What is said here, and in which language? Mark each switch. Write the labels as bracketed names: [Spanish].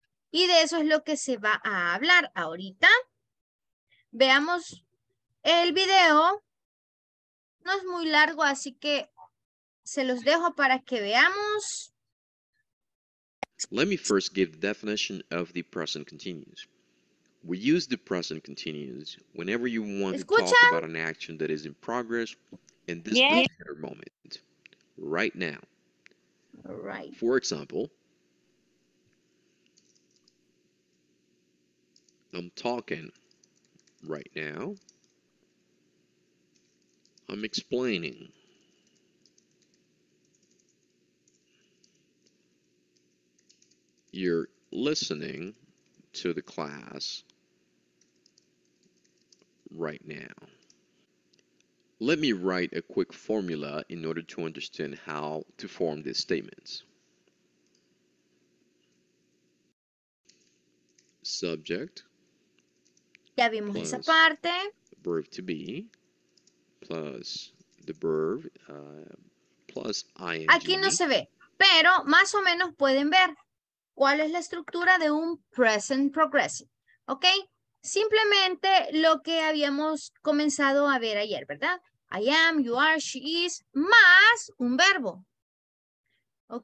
[Spanish] Y de eso es lo que se va a hablar ahorita. Veamos el video. No es muy largo, así que se los dejo para que veamos. [English] Let me first give definition of the present continuous. We use the present continuous whenever you want to talk about an action that is in progress in this particular moment, right now. All right. For example, I'm talking right now. I'm explaining. You're listening to the class right now. Let me write a quick formula in order to understand how to form these statements. Subject. [Spanish] Ya vimos plus esa parte. [English] Verb to be plus the verb plus ing. [Spanish] Aquí no se ve, pero más o menos pueden ver. ¿Cuál es la estructura de un present progressive? ¿Ok? Simplemente lo que habíamos comenzado a ver ayer, ¿verdad? [English] I am, you are, she is, [Spanish] más un verbo. [English] ¿Ok?